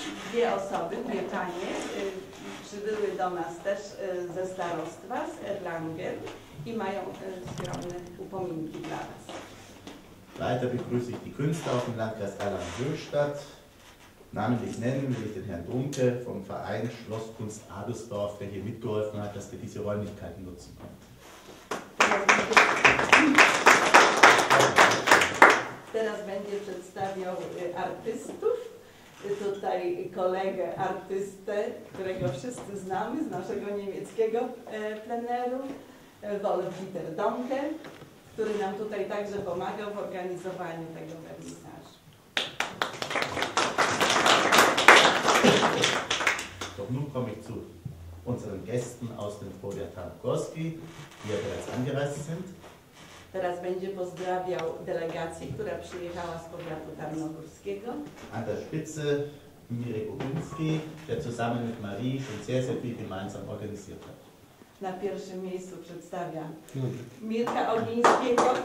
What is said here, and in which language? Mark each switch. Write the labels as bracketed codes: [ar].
[pl] Dwie osoby, dwie panie, przybyły do nas też ze starostwa, z Erlangen i mają skromne upominki dla was. [de] Weiter begrüße ich die Künstler aus dem Landkreis Erlangen-Höchstadt. Namentlich nennen will ich den Herrn Dunke vom Verein Schlosskunst Adelsdorf, der hier mitgeholfen hat, dass wir diese Räumlichkeiten nutzen können. [pl] Teraz będzie przedstawiał artystów. Tutaj kolegę artystę, którego wszyscy znamy z naszego niemieckiego pleneru, Wolf-Dieter Dunke, który nam tutaj także pomagał w organizowaniu tego wernisażu. [de] Doch nun komme ich zu unseren Gästen aus dem Powiat Tarnogórski, die ja bereits angereist sind. [pl] Teraz będzie pozdrawiał delegację, która przyjechała z Powiatu Tarnogórskiego. [de] An der Spitze Mirek Ubinski, der zusammen mit Marie schon sehr, sehr viel gemeinsam organisiert hat. [pl] Na pierwszym miejscu przedstawia Mirka Ogińskiego.